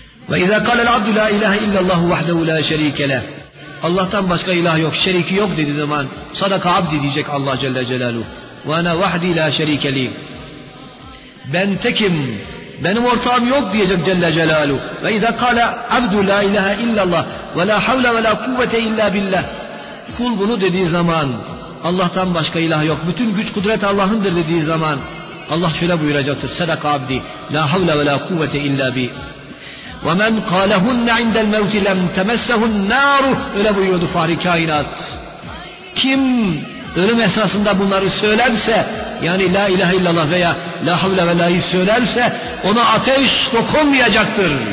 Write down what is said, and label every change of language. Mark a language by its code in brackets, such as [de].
[ar] Ve iza kâle el-abdü la ilahe illallah vahdehu la şerike leh, [tr] Allah'tan başka ilah yok, şeriki yok dediği zaman [ar] sadaka abdi [tr] diyecek Allah celle celaluhu. [ar] وَاَنَا وَحْدِي لَا شَر۪يكَ لِي [tr] Ben tekim, benim ortağım yok diyeceğim Celle Celaluhu. [ar] وَاِذَا قَالَ عَبْدُ لَا اِلَّهَ اِلَّا اللّٰهِ وَلَا حَوْلَ وَلَا قُوَّةَ اِلَّا بِاللّٰهِ [tr] Kul bunu dediği zaman, [ar] Allah'tan başka ilah yok, bütün güç kudret Allah'ındır dediği zaman, Allah şöyle buyuracaktır: سَدَقَ عَبْدِي لَا حَوْلَ وَلَا قُوَّةَ اِلَّا بِي وَمَنْ قَالَهُنَّ عِنْدَ الْمَوْتِ لَمْ تَمَسَّهُ النَّارُ [tr] Öyle buyuruyordu Fahri Kainat. Kim ölüm esasında bunları söylerse, yani la ilahe illallah veya la havle ve la'yı söylerse, ona ateş dokunmayacaktır.